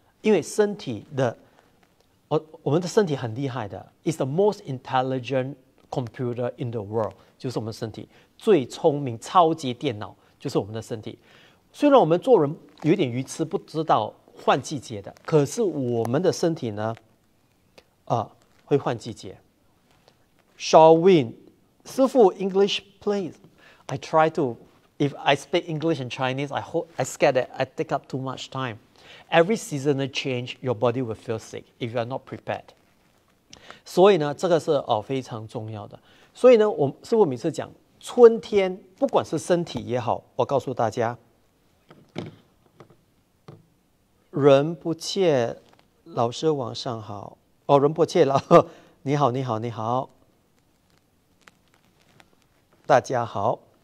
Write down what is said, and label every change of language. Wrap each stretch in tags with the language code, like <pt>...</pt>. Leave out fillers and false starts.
<zh>因为身体的 我们的身体很厉害的，</zh> <en>is the most intelligent computer in the world,</en> <zh>就是我们身体最聪明超级电脑，就是我们的身体。虽然我们做人有点愚痴不知道换季节的，可是我们的身体呢会换季节。</zh> <en>Shawin, 师父 English please. I try to, if I speak English and Chinese, I scared that I take up too much time. Every seasonal change, your body will feel sick if you are not prepared.</en> <zh>所以呢，这个是非常重要的。所以呢，我师父每次讲春天，不管是身体也好，我告诉大家，人不切，老师晚上好。哦，仁波切了，你好，你好，你好，大家好。</zh>